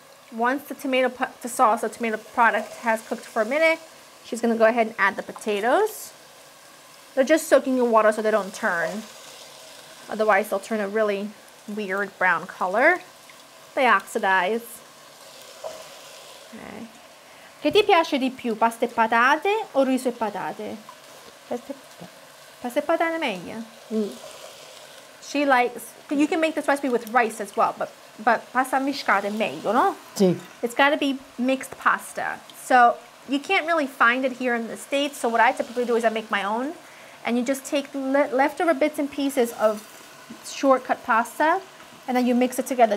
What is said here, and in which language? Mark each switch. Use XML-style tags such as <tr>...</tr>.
<en>Once the tomato product has cooked for a minute, she's gonna go ahead and add the potatoes. They're just soaking in water so they don't turn. Otherwise, they'll turn a really weird brown color. They oxidize. Okay.</en> <it>Che ti piace di più, pasta e patate o riso e patate? Pasta e patate meglio.</it> <en>She likes, you can make this recipe with rice as well, but</en> <it>pasta mischiata è meglio, no? Sì.</it> <en>It's got to be mixed pasta. So you can't really find it here in the States. So what I typically do is I make my own, and you just take leftover bits and pieces of shortcut pasta, And then you mix it together.</en>